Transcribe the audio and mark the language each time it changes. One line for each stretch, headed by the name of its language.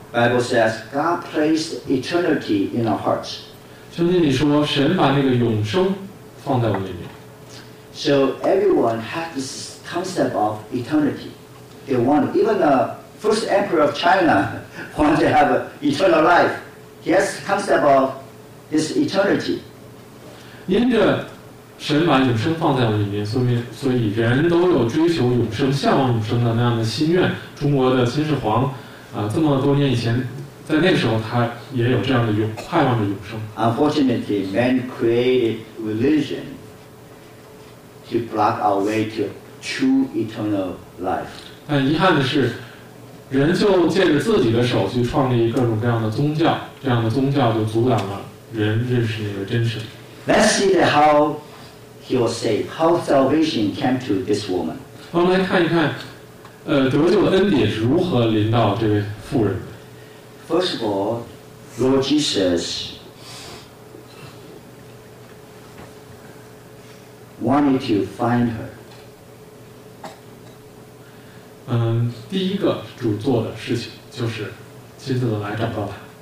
English: Bible says God placed eternity in our hearts.
Chinese: 圣经里说，神把那个永生放在我们里面。
English: So everyone has this concept of eternity. They want even the first emperor of China want to have eternal life. He has concept of this eternity.
Chinese: 因着神把永生放在我里面，所以人都有追求永生、向往永生的那样的心愿。中国的秦始皇，这么多年以前，在那时候他也有这样的盼望着永生。
English: Unfortunately, man created religion to block our way to true eternal life.
Chinese: 但遗憾的是，人就借着自己的手去创立各种各样的宗教，这样的宗教就阻挡了人认识那个真神。
English: Let's see how. He was saved. How salvation came to this woman.
Chinese: 我们来看一看，得救的恩典是如何临到这位妇人。
English: First of all, Lord Jesus wanted to find her.
Chinese: 第一个主做的事情就是亲自的来找到她。